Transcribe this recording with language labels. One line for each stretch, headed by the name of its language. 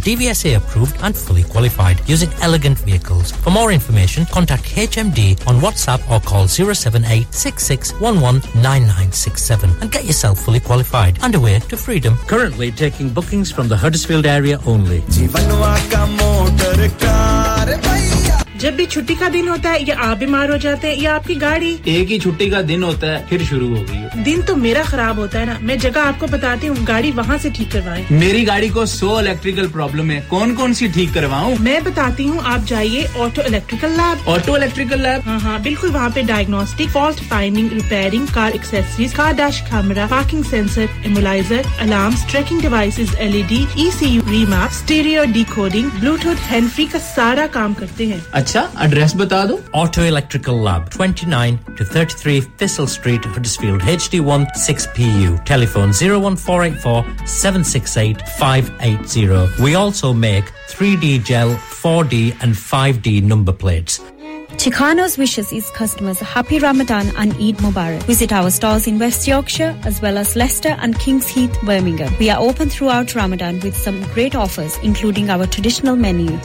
English: DVSA approved and fully qualified, using elegant vehicles. For more information, contact HMD on WhatsApp or call 07866119967 and get yourself fully qualified and away to freedom. Currently taking bookings from the Huddersfield area only.
Hindi: जब भी छुट्टी का दिन होता है या आप बीमार हो जाते हैं या आपकी गाड़ी, एक ही छुट्टी का दिन होता है फिर शुरू हो गई दिन तो मेरा खराब होता है ना, मैं जगह आपको बताती हूँ, गाड़ी वहाँ से ठीक करवाएं। मेरी गाड़ी को 100 इलेक्ट्रिकल प्रॉब्लम है, कौन कौन सी ठीक करवाऊँ? मैं बताती हूँ, आप जाइए auto electrical lab. Auto electrical lab? हाँ हाँ बिल्कुल, वहाँ पे diagnostic, fault finding, repairing, car accessories, car dash camera, parking sensor, immobiliser, alarms, trekking devices, LED, ECU, remap, stereo decoding, Bluetooth, hand free का सारा काम करते हैं। अच्छा, एड्रेस बता दो। Auto electrical lab, 29-33 thistle street, Huddersfield, HD1 6PU.
English: Telephone 01484 768 580. We also make 3D gel, 4D and 5D number plates. Chicano's wishes its customers a happy Ramadan and Eid Mubarak. Visit our stores in West Yorkshire as well as Leicester and King's Heath, Birmingham. We are open throughout Ramadan with some great offers, including our traditional menu.